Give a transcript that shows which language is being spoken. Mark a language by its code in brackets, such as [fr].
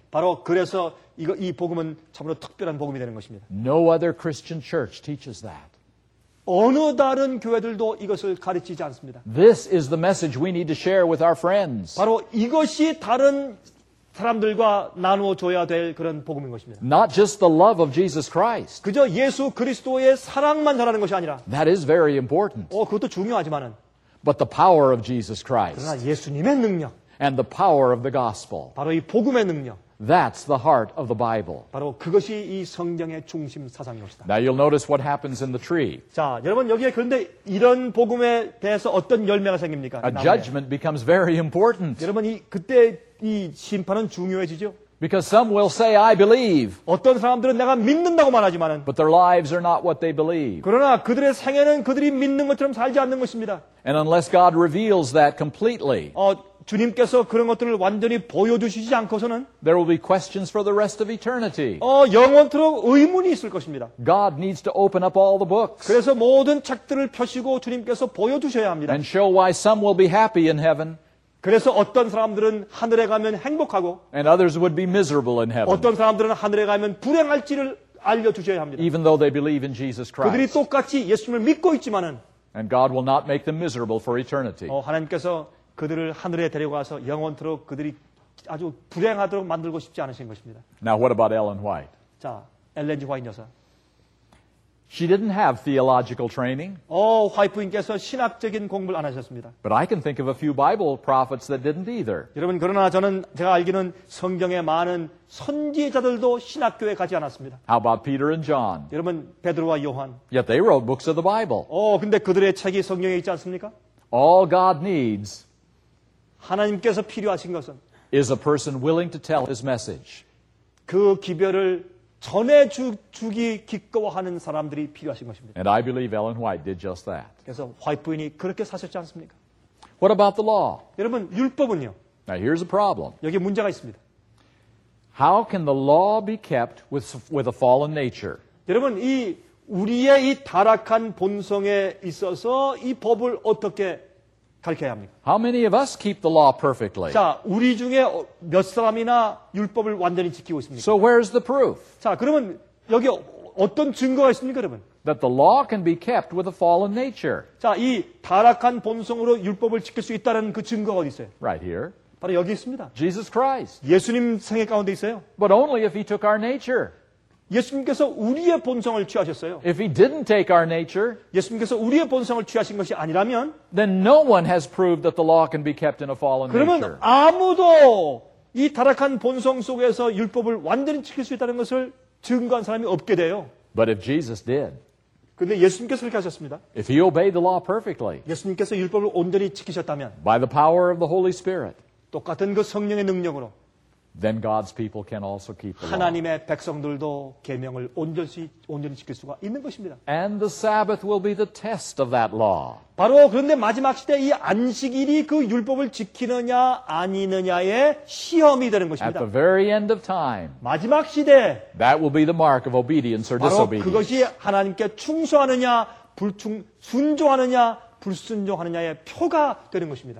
[ko] 바로 그래서 이 복음은 참으로 특별한 복음이 되는 것입니다. [en] No other Christian church teaches that. [ko] 어느 다른 교회들도 이것을 가르치지 않습니다. [en] This is the message we need to share with our friends. [ko] 바로 이것이 다른 사람들과 나누어 줘야 될 그런 복음인 것입니다. [en] Not just the love of Jesus Christ. [ko] 그저 예수 그리스도의 사랑만 전하는 것이 아니라. [en] That is very important. [ko] 그것도 중요하지만은. [en] But the power of Jesus Christ. [ko] 그러나 예수님의 능력. [en] And the power of the gospel. [ko] 바로 이 복음의 능력. [en] That's the heart of the Bible. [ko] 바로 그것이 이 성경의 중심 사상인 것이다. [en] Now you'll notice what happens in the tree. [ko] 자, 여러분 여기에 그런데 이런 복음에 대해서 어떤 열매가 생깁니까? [en] A judgment becomes very important. [ko] 여러분 이 그때 이 심판은 중요해지죠. [en] Because some will say, I believe. [ko] 어떤 사람들은 내가 믿는다고 말하지만은. [en] But their lives are not what they believe. [ko] 그러나 그들의 생애는 그들이 믿는 것처럼 살지 않는 것입니다. [en] And unless God reveals that completely. [ko] 주님께서 그런 것들을 완전히 보여주시지 않고서는 [en] There will be questions for the rest of eternity. [ko] 영원토록 의문이 있을 것입니다. [en] God needs to open up all the books. [ko] 그래서 모든 책들을 펴시고 주님께서 보여주셔야 합니다. [en] And show why some will be happy in heaven. [ko] 그래서 어떤 사람들은 하늘에 가면 행복하고 [en] And others would be miserable in heaven. [ko] 어떤 사람들은 하늘에 가면 불행할지를 알려주셔야 합니다. [en] Even though they believe in Jesus Christ. [ko] 그들이 똑같이 예수님을 믿고 있지만은 [en] And God will not make them miserable for eternity. [ko] 하나님께서 그들을 하늘에 데려가서 영원토록 그들이 아주 불행하도록 만들고 싶지 않으신 것입니다. [en] Now what about Ellen White? [ko] 자, 엘렌 G. 화이트 여사. [en] She didn't have theological training. [ko] 화이프님께서 신학적인 공부를 안 하셨습니다. [en] But I can think of a few Bible prophets that didn't either. [ko] 여러분 그러나 저는 제가 알기는 성경에 많은 선지자들도 신학교에 가지 않았습니다. [en] How about Peter and John? [ko] 여러분 베드로와 요한. [en] Yet they wrote books of the Bible. [ko] 근데 그들의 책이 성경에 있지 않습니까? [en] All God needs [ko] 하나님께서 필요하신 것은 [en] is a person willing to tell his message. [ko] 그 기별을 전해주기 기꺼워하는 사람들이 필요하신 것입니다. [en] And I believe Ellen White did just that. [ko] 그래서 화이트 부인이 그렇게 사셨지 않습니까? [en] What about the law? [ko] 여러분, 율법은요? [en] Now here's a problem. [ko] 여기 문제가 있습니다. [en] How can the law be kept with a fallen nature? [ko] 여러분, 이 우리의 이 타락한 본성에 있어서 이 법을 어떻게 가르쳐야 합니까? [en] How many of us keep the law perfectly? [ko] 자, 우리 중에 몇 사람이나 율법을 완전히 지키고 있습니까? [en] So where's the proof? [ko] 자, 그러면 여기 어떤 증거가 있습니까, 여러분? [en] That the law can be kept with a fallen nature. [ko] 자, 이 타락한 본성으로 율법을 지킬 수 있다는 그 증거가 어디 있어요? [en] Right here. [ko] 바로 여기 있습니다. [en] Jesus Christ. [ko] 예수님 생애 가운데 있어요. [en] But only if he took our nature. [ko] 예수님께서 우리의 본성을 취하셨어요. [en] If he didn't take our nature, [ko] 예수님께서 우리의 본성을 취하신 것이 아니라면, [en] then no one has proved that the law can be kept in a fallen nature. [ko] 그러면 아무도 이 타락한 본성 속에서 율법을 완전히 지킬 수 있다는 것을 증거한 사람이 없게 돼요. [en] But if Jesus did, [ko] 근데 예수님께서 그렇게 하셨습니다. [en] If he obeyed the law perfectly, [ko] 예수님께서 율법을 온전히 지키셨다면, [en] by the power of the Holy Spirit, [ko] 똑같은 그 성령의 능력으로. [en] Then God's people can also keep the law. [ko] 하나님의 백성들도 계명을 온전히 지킬 수가 있는 것입니다. [en] And the Sabbath will be the test of that law. [ko] 바로 그런데 마지막 시대 이 안식일이 그 율법을 지키느냐 아니느냐의 시험이 되는 것입니다. [en] At the very end of time. [ko] 마지막 시대. [en] That will be the mark of obedience or disobedience. [ko] 바로 그것이 하나님께 충성하느냐 순종하느냐 불순종하느냐의 표가 되는 것입니다.